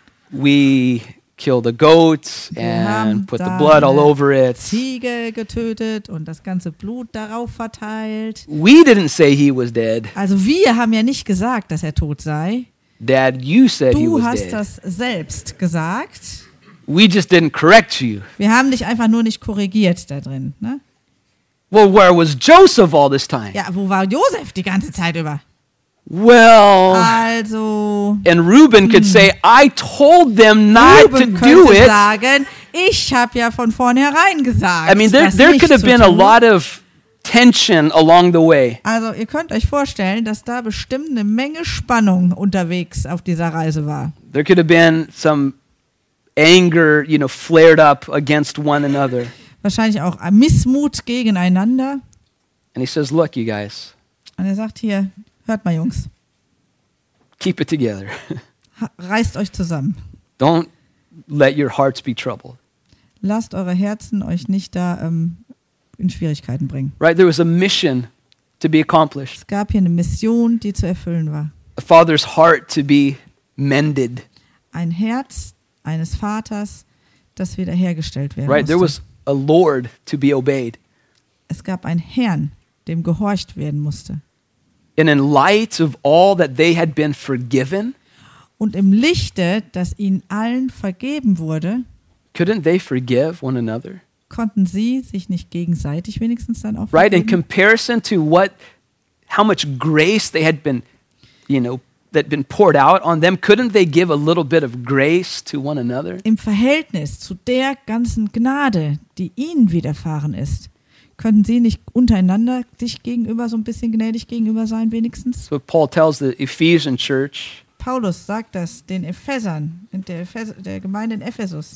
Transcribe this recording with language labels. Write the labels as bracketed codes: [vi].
[en] We killed the goat and put the blood all over it. [de] Ziege getötet und das ganze Blut darauf verteilt. [en] We didn't say he was dead. [de] Also wir haben ja nicht gesagt, dass er tot sei. [en] Dad, you said [de] du [en] he was [de] hast [en] dead. [de] Das selbst gesagt. [en] We just didn't correct you. [de] Wir haben dich einfach nur nicht korrigiert da drin, ne? [en] Well, where was Joseph all this time? [de] Ja, wo war Joseph die ganze Zeit über? [en] Well, [de] also, [en] and Reuben could say, I told them not [de] Reuben [en] to do it. [de] Sagen, ich habe ja von vornherein gesagt. [en] I mean, there could have been a lot of tension along the way. [de] Also, ihr könnt euch vorstellen, dass da bestimmt eine Menge Spannung unterwegs auf dieser Reise war. [en] There could have been some anger, you know, flared up against one another. [de] Wahrscheinlich auch Missmut gegeneinander. [en] And he says, "Look, you guys." [de] Und er sagt hier, hört mal, Jungs. [en] Keep it together. [de] Reißt euch zusammen. [en] Don't let your hearts be troubled. [de] Lasst eure Herzen euch nicht da in Schwierigkeiten bringen. [en] Right, there was a mission to be accomplished. [de] Es gab hier eine Mission, die zu erfüllen war. [en] A father's heart to be mended. [de] Ein Herz eines Vaters, das wiederhergestellt werden [en] right, [de] musste. [en] Right, there was a Lord to be obeyed. [de] Es gab einen Herrn, dem gehorcht werden musste. [en] And in light of all that they had been forgiven, [de] und im Lichte, dass ihnen allen vergeben wurde, [en] couldn't they forgive one another? [de] Konnten sie sich nicht gegenseitig wenigstens dann auch [en] right, in comparison to what, how much grace they had been, you know, that been poured out on them, couldn't they give a little bit of grace to one another? [de] Im Verhältnis zu der ganzen Gnade, die ihnen widerfahren ist, könnten sie nicht untereinander sich gegenüber so ein bisschen gnädig gegenüber sein wenigstens? [en] So Paul tells the Ephesian church. [de] Paulus sagt das den Ephesern in der, der Gemeinde in Ephesus.